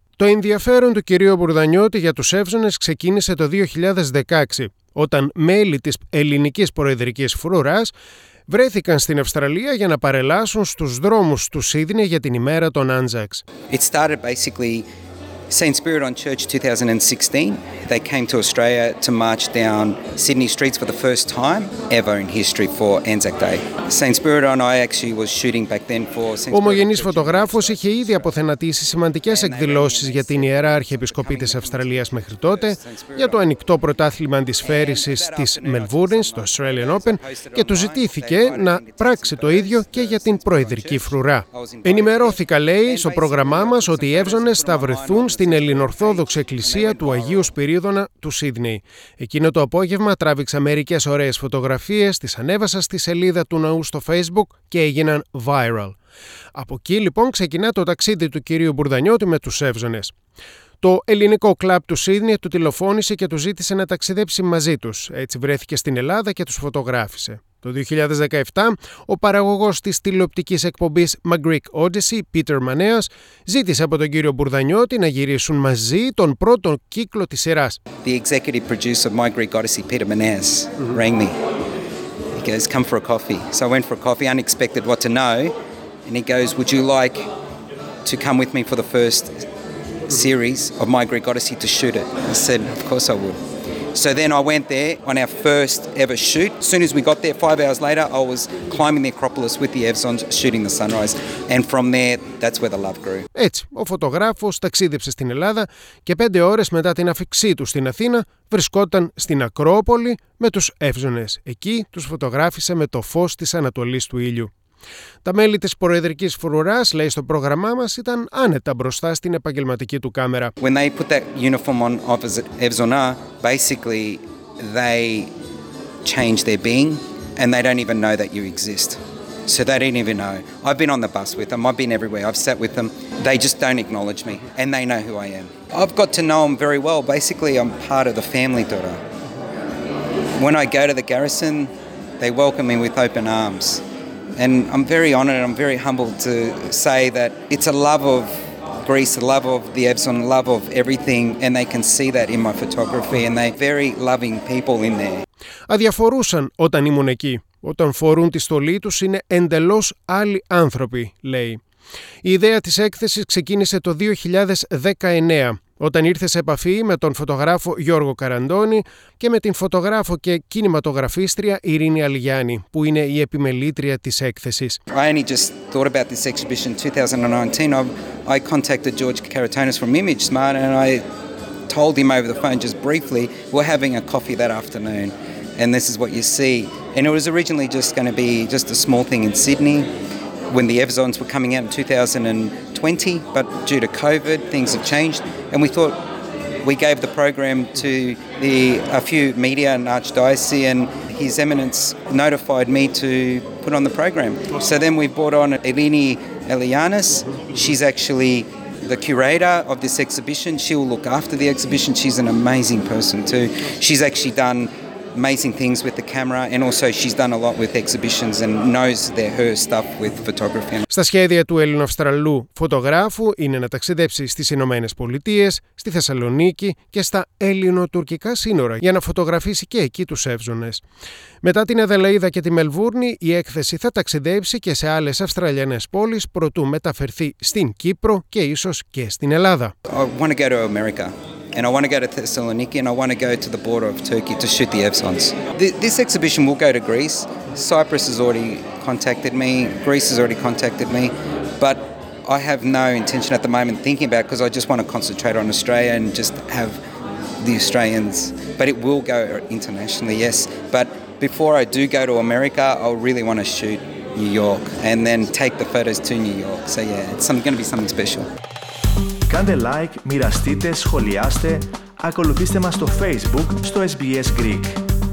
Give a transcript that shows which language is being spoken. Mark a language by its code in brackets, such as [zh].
[el] Το ενδιαφέρον του κυρίου Μπουρδανιώτη για τους εύζωνες ξεκίνησε το 2016, όταν μέλη της ελληνικής προεδρικής φρουράς βρέθηκαν στην Αυστραλία για να παρελάσουν στους δρόμους του Σίδνεϊ για την ημέρα των Άντζακς. [en] It started basically Saint Spirit on Church 2016. They came to Australia to march down Sydney streets for the first time ever in history for Anzac Day. Saint Spirit on, I actually was shooting back then for Saint Spirit. [el] Ο ομογενής φωτογράφος είχε ήδη αποθενατίσει σημαντικές εκδηλώσεις για την Ιερά Αρχιεπισκοπή της Αυστραλίας μέχρι τότε, για το ανοιχτό πρωτάθλημα αντισφαίρησης της Μελβούρνης, το Australian Open, και του ζητήθηκε να πράξει το ίδιο και για την προεδρική φρουρά. Ενημερώθηκα, λέει, στο πρόγραμμά μας ότι οι εύζωνες θα βρεθούν στην Ελληνορθόδοξη Εκκλησία του Αγίου Σπυρίδωνα του Σίδνεϊ. Εκείνο το απόγευμα τράβηξα μερικές ωραίες φωτογραφίες, τις ανέβασα στη σελίδα του ναού στο Facebook και έγιναν viral. Από εκεί λοιπόν ξεκινά το ταξίδι του κυρίου Μπουρδανιώτη με τους εύζωνες. Το ελληνικό κλαμπ του Σίδνεϊ του τηλεφώνησε και του ζήτησε να ταξιδέψει μαζί τους. Έτσι βρέθηκε στην Ελλάδα και τους φωτογράφησε. Το 2017, ο παραγωγός της τηλεοπτικής εκπομπής Magreek Odyssey, Peter Maneas, ζήτησε από τον κύριο Μπουρδανιώτη να γυρίσουν μαζί τον πρώτο κύκλο της σειράς. [en] The executive producer of Magreek Odyssey, Peter Maneas, rang me. He goes, come for a coffee. So I went for a coffee, unexpected what to know. And he goes, would you like to come with me for the first series of Magreek Odyssey to shoot it? I said, of course I would. So then I went there on our first ever shoot. As soon as we got there, 5 hours later, I was climbing the Acropolis with the Evsons, shooting the sunrise. And from there, that's where the love grew. [el] Έτσι, ο φωτογράφος ταξίδεψε στην Ελλάδα και 5 ώρες μετά την αφιξή του στην Αθήνα, βρισκόταν στην Ακρόπολη με τους Εύζωνες. Εκεί τους φωτογράφησε με το φως της ανατολής του ήλιου. Τα μέλη της προεδρικής φρουράς, λέει στο πρόγραμμά μας, ήταν άνετα μπροστά στην επαγγελματική του κάμερα. [en] When they put that uniform on of Evzona, basically they change their being and they don't even know that you exist. So they don't even know. I've been on the bus with them, I've been everywhere, I've sat with them. They just don't acknowledge me and they know who I am. I've got to know them very well. Basically I'm part of the family, Dora. When I go to the garrison, they welcome me with open arms. And I'm very honored and I'm very humbled to say that it's a love of Greece, a love of the Epsilon, a love of everything, and they can see that in my photography, and they're very loving people in there. [el] Αδιαφορούσαν όταν ήμουν εκεί. Όταν φορούν τη στολή τους είναι εντελώς άλλοι άνθρωποι, λέει. Η ιδέα της έκθεσης ξεκίνησε το 2019, όταν ήρθε σε επαφή με τον φωτογράφο Γιώργο Καραντώνη και με την φωτογράφο και κινηματογραφίστρια Ειρήνη Αλγιάννη, που είναι η επιμελήτρια της έκθεσης. [en] I only just thought about this exhibition 2019. I contacted George Karatonis from Image Smart and I told him over the phone just briefly, we're having a coffee that afternoon and this is what you see. And it was originally just going to be just a small thing in Sydney. When the Evzons were coming out in 2020, but due to COVID, things have changed. And we thought, we gave the program to a few media in Archdiocese, and His Eminence notified me to put on the program. So then we brought on Eleni Elianis. She's actually the curator of this exhibition. She will look after the exhibition. She's an amazing person too. She's actually done amazing things with the camera, and also she's done a lot with exhibitions and knows their her stuff with photography. [el] Στα σχέδια του Ελληνοαυστραλού φωτογράφου είναι να ταξιδέψει στις Ηνωμένες Πολιτείες, στη Θεσσαλονίκη και στα Ελληνοτουρκικά σύνορα για να φωτογραφίσει και εκεί τους εύζωνες. Μετά την Αδελαίδα και τη Μελβούρνη, η έκθεση θα ταξιδέψει και σε άλλες Αυστραλιανές πόλεις προτού μεταφερθεί στην Κύπρο και ίσως και στην Ελλάδα. [en] I want to go to America. And I want to go to Thessaloniki, and I want to go to the border of Turkey to shoot the Evsons. This exhibition will go to Greece. Cyprus has already contacted me. Greece has already contacted me. But I have no intention at the moment thinking about it, because I just want to concentrate on Australia and just have the Australians. But it will go internationally, yes. But before I do go to America, I really want to shoot New York and then take the photos to New York. So yeah, it's going to be something special. [el] Κάντε like, μοιραστείτε, σχολιάστε, ακολουθήστε μας στο Facebook, στο SBS Greek.